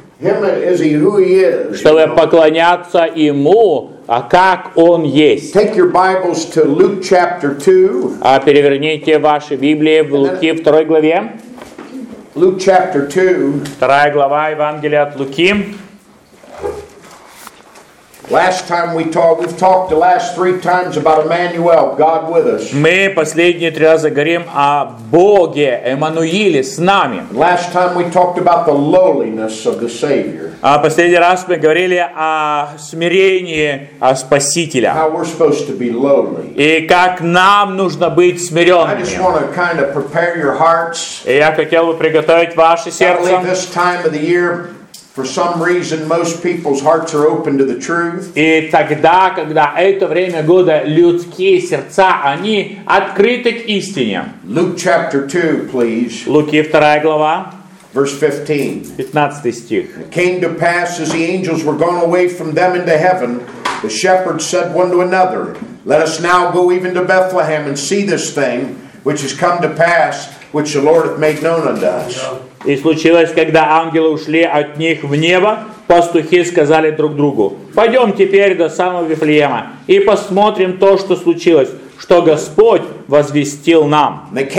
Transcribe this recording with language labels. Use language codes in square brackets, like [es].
[ru] Чтобы поклоняться Ему, а как Он есть. [en] Take your Bibles to Luke chapter 2. [ru] А переверните ваши Библии в Луки 2 главе. [en] Luke chapter 2. [ru] Вторая глава Евангелия от Луки. [en] Last time we've talked the last three times about Emmanuel, God with us. [ru] Мы последние три раза говорим о Боге, Эммануиле, с нами. [en] Last time we talked about the lowliness of the Savior. [ru] А последний раз мы говорили о смирении Спасителя. [en] How we're supposed to be lowly. [ru] И как нам нужно быть смиренными. [en] I just want to kind of prepare your hearts. [ru] И я хотел бы приготовить ваши сердца. [en] At this time of the year. For some reason, most people's hearts are open to the truth. [ru] И тогда, когда это время года, людские сердца, они открыты к истине. [en] Luke chapter 2, please. [ru] Луки 2 глава. [en] Verse 15. [ru] 15 стих. [en] It came to pass as the angels were gone away from them into heaven, the shepherds said one to another, Let us now go even to Bethlehem and see this thing which has come to pass, which the Lord hath made known unto us. [ru] И случилось, когда ангелы ушли от них в небо, пастухи сказали друг другу, «Пойдем теперь до самого Вифлеема и посмотрим то, что случилось, что Господь возвестил нам».